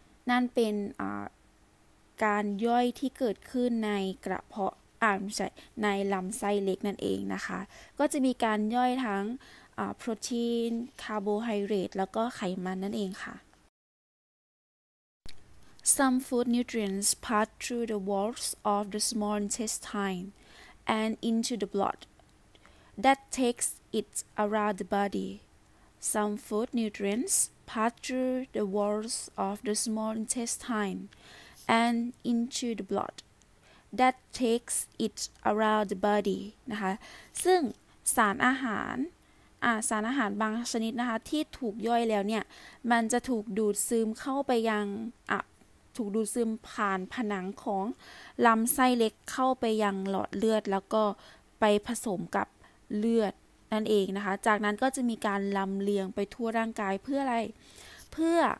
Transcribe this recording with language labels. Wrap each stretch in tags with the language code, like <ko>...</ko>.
<th>นั่นเป็นการย่อยที่เกิดขึ้นในกระเพาะในลำไส้เล็กนั่นเองนะคะก็จะมีการย่อยทั้งโปรตีนคาร์โบไฮเดรตแล้วก็ไขมันนั่นเองค่ะ</th> <en>Some food nutrients pass through the walls of the small intestine and into the bloodThat takes it around the body. Some food nutrients pass through the walls of the small intestine and into the blood. That takes it around the body.</en> <th>นะคะซึ่งสารอาหารบางชนิดนะคะที่ถูกย่อยแล้วเนี่ยมันจะถูกดูดซึมเข้าไปยังถูกดูดซึมผ่านผนังของลำไส้เล็กเข้าไปยังหลอดเลือดแล้วก็ไปผสมกับเลือดนั่นเองนะคะจากนั้นก็จะมีการลำเลียงไปทั่วร่างกายเพื่ออะไรเพื่อ</th>